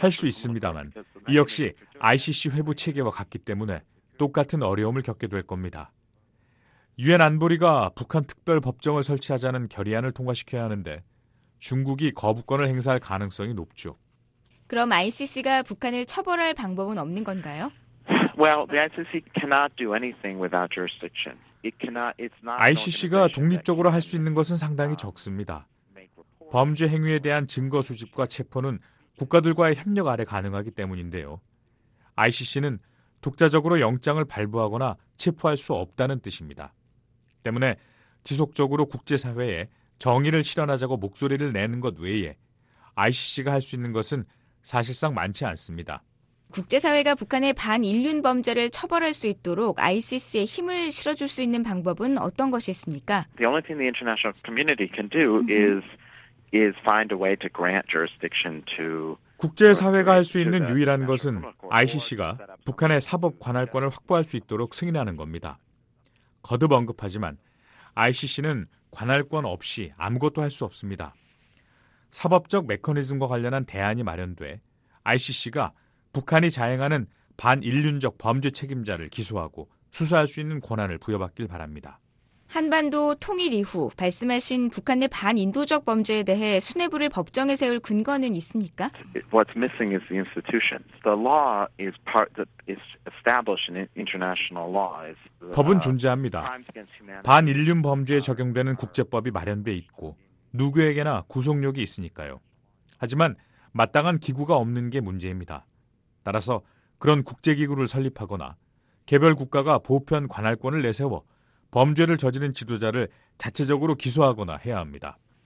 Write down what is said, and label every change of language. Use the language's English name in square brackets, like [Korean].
[Korean] 할 수 있습니다만 이 역시 ICC 회부 체계와 같기 때문에 똑같은 어려움을 겪게 될 겁니다. 유엔 안보리가 북한 특별법정을 설치하자는 결의안을 통과시켜야 하는데 중국이 거부권을 행사할 가능성이 높죠. 그럼 ICC가 북한을 처벌할 방법은 없는 건가요? [English] Well, the ICC cannot do anything without jurisdiction. [Korean] ICC가 독립적으로 할 수 있는 것은 상당히 적습니다. 범죄 행위에 대한 증거 수집과 체포는 국가들과의 협력 아래 가능하기 때문인데요. ICC는 독자적으로 영장을 발부하거나 체포할 수 없다는 뜻입니다. 때문에 지속적으로 국제사회에 정의를 실현하자고 목소리를 내는 것 외에 ICC가 할 수 있는 것은 사실상 많지 않습니다. 국제사회가 북한의 반인륜 범죄를 처벌할 수 있도록 ICC에 힘을 실어줄 수 있는 방법은 어떤 것이 있습니까? [English] The only thing the international community can do is find a way to grant jurisdiction to. [Korean] 국제사회가 할 수 있는 유일한 것은 ICC가 북한의 사법 관할권을 확보할 수 있도록 승인하는 겁니다. 거듭 언급하지만 ICC는 관할권 없이 아무것도 할 수 없습니다. 사법적 메커니즘과 관련한 대안이 마련돼 ICC가 북한이 자행하는 반인륜적 범죄 책임자를 기소하고 수사할 수 있는 권한을 부여받길 바랍니다. 한반도 통일 이후 말씀하신 북한의 반인도적 범죄에 대해 수뇌부를 법정에 세울 근거는 있습니까? [English] What's missing is the institutions. The law is part that is established in international law. [Korean] 법은 존재합니다. 반인륜 범죄에 적용되는 국제법이 마련돼 있고 누구에게나 구속력이 있으니까요. 하지만 마땅한 기구가 없는 게 문제입니다. 따라서 그런 국제기구를 설립하거나 개별 국가가 보편 관할권을 내세워 범죄를 저지른 지도자를 자체적으로 기소하거나 해야 합니다.